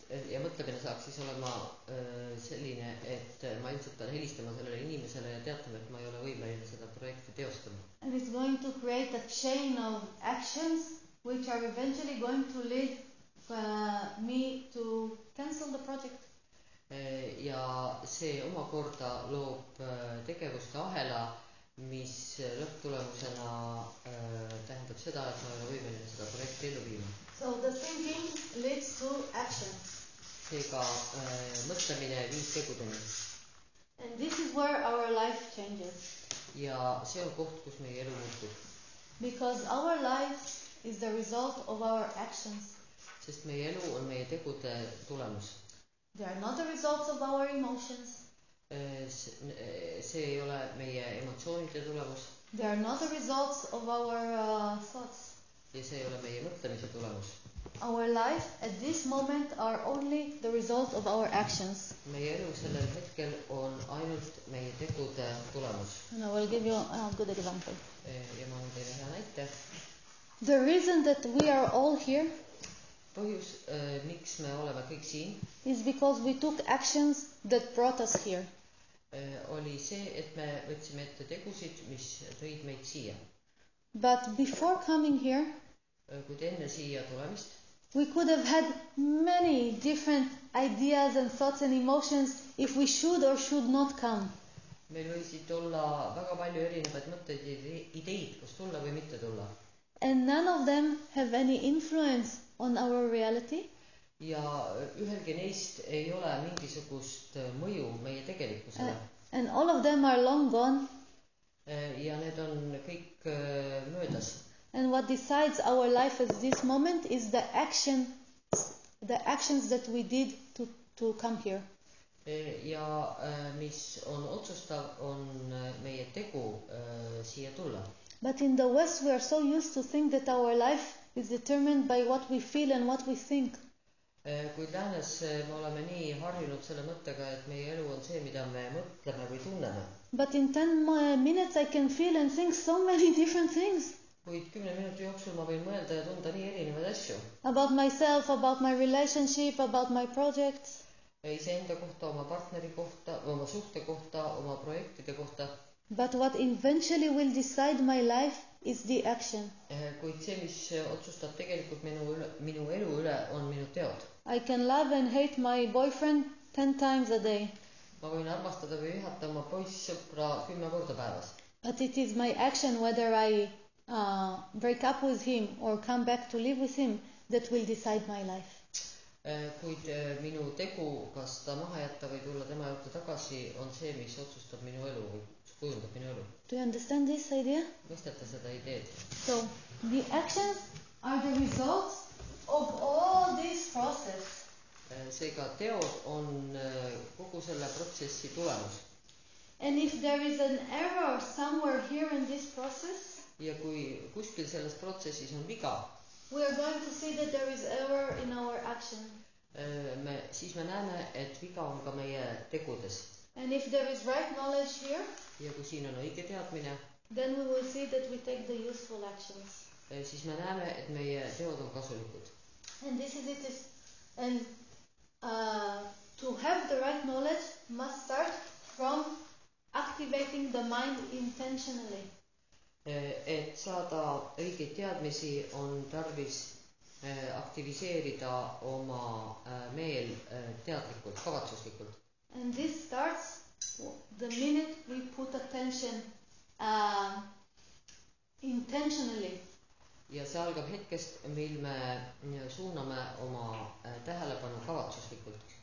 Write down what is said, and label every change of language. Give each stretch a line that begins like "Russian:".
Estonian: Ja mõtlemine saaks siis olema selline, et ma ilmselt olen helistama sellele inimesele ja teatame, et ma ei ole võimeline seda projekti teostama.
English: And it's going to create a chain of actions which are eventually going to lead me to cancel the project.
Estonian: Ja see omakorda loob tegevuste ahela, mis lõpptulemusena tähendab seda, et ma ei ole võimeline seda projekti ellu viima.
English: So the thinking leads to action.
Estonian: Seega mõtlemine viis tegudeni.
English: And this is where our life changes.
Estonian: Ja see on koht, kus meie elu muutub.
English: Because our life is the result of our actions.
Estonian: Sest meie elu on meie tegude tulemus.
English: They are not the results of our emotions.
Estonian: See ei ole meie emotsioonide tulemus.
English: They are not the results of our thoughts.
Estonian: Ja see ei ole meie mõtlemise tulemus.
English: Our life at this moment are only the result of our actions.
Estonian: Meie elu sellel hetkel on ainult meie tegude tulemus.
English: And I will give you a good example.
Estonian: Ja ma olen teile hea näite.
English: The reason that we are all here
Estonian: põhjus, miks me oleme kõik siin
English: is because we took actions that brought us here.
Estonian: Oli see, et me võtsime ette tegusid, mis tõid meid siia.
English: But before coming here
Estonian: kui enne siia tulemist,
English: we could have had many different ideas and thoughts and emotions if we should or should not come.
Estonian: Meil võisid olla väga palju erinevaid mõtteid ja ideid, kus tulla või mitte tulla.
English: And none of them have any influence on our reality.
Estonian: Ja ühelgi neist ei ole mingisugust mõju meie tegelikusele.
English: And all of them are long gone.
Estonian: Ja need on kõik möödas.
English: And what decides our life at this moment is the action, the actions that we did to come here.
Estonian: Ja mis on otsustav, on meie tegu siia tulla.
English: But in the West we are so used to think that our life is determined by what we feel and what we think.
Estonian: Kui läänes me oleme nii harjunud selle mõttega, et meie elu on see, mida me mõtleme või tunneme.
English: But in 10 minutes I can feel and think so many different things.
Estonian: Kuid 10 minuti jooksul ma võin mõelda ja tunda nii erinevad asju.
English: About myself, about my relationship, about my projects.
Estonian: Ise enda kohta, oma partneri kohta, oma suhte kohta, oma projektide kohta.
English: But what eventually will decide my life is the action.
Estonian: Kuid see, mis otsustab tegelikult minu elu üle, on minu teod.
English: I can love and hate my boyfriend 10 times a day.
Estonian: Ma võin armastada või ühata oma poissõpra 10 korda päevas.
English: But it is my action whether I break up with him or come back to live with him that will decide my life.
Estonian: Kuid minu tegu, kas ta maha jätta või tulla tema juurde tagasi, on see, mis otsustab minu elu. Kujundab minu elu.
English: Do you understand this idea?
Estonian: Mõistate seda ideed?
English: So, the actions are the results of all this process.
Estonian: Seega teod on kogu selle protsessi tulemus.
English: And if there is an error somewhere here in this process,
Estonian: ja kui kuskil selles protsessis on viga,
English: we are going to see that there is error in our action.
Estonian: Siis me näeme, et viga on ka meie tegudes.
English: And if there is right knowledge here,
Estonian: ja kui siin on õige teadmine,
English: then we will see that we take the useful actions.
Estonian: siis me näeme, et meie teod on kasulikud.
English: And this is it. And to have the right knowledge must start from activating the mind intentionally.
Estonian: Et saada õigeid teadmisi on tarvis aktiviseerida oma meel teadlikult, kavatsuslikult.
English: And this starts the minute we put attention intentionally.
Estonian: Ja see algab hetkest, mil me suuname oma tähelepanu kavatsuslikult.